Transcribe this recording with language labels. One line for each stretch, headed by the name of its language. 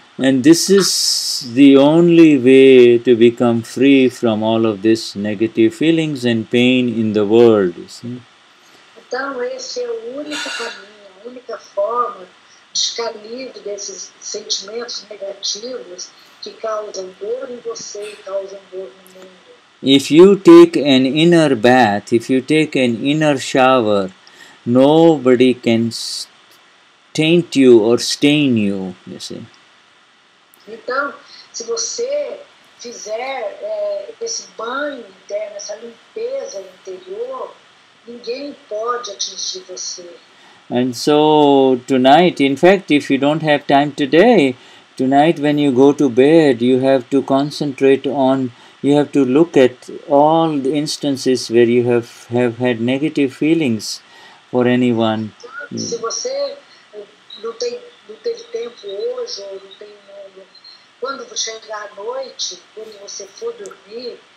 English: And this is the only way to become free from all of these negative feelings and pain in the world, you see?
Portuguese: Então esse é o único caminho, a única forma de ficar livre desses sentimentos negativos que causam dor em você e causam dor no mundo.
English: If you take an inner bath, if you take an inner shower, nobody can taint you or stain you, you see.
Portuguese: Então, se você fizer esse banho interno, essa limpeza interior, ninguém pode atingir você.
English: And so tonight, in fact, if you don't have time today, tonight when you go to bed, you have to concentrate on, you have to look at all the instances where you have had negative feelings for anyone.
Portuguese: Se você não tem tempo hoje, ou não tem nada, quando você chegar à noite, quando você for dormir,